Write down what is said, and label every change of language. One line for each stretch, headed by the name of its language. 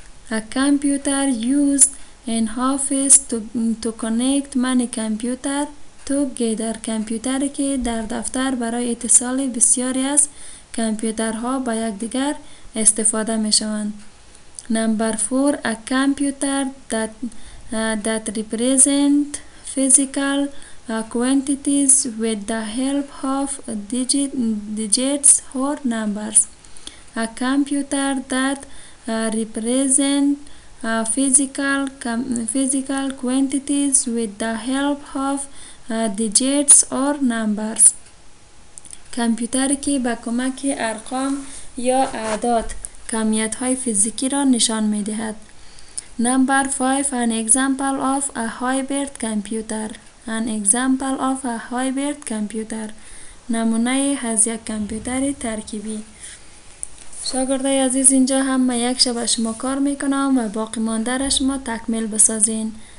English: A computer used in office to connect many computers together.
Persian: کامپیوتری که در دفتر برای اتصال بسیاری از کامپیوترها با یکدیگر استفاده می شوند.
English: Number 4. A computer that represent physical quantities with the help of digits or numbers. A computer that represent physical quantities with the help of digits or numbers.
Persian: کامپیوتری که با کمک ارقام یا اعداد کمیت های فیزیکی را نشان می دهد.
English: Number 5. An example of a hybrid computer. An example of a hybrid computer.
Persian: نمونه از یک کامپیوتر ترکیبی. شاگرده عزیز، اینجا هم من یک شب شما کار میکنم و باقی مانده را شما تکمیل بسازین.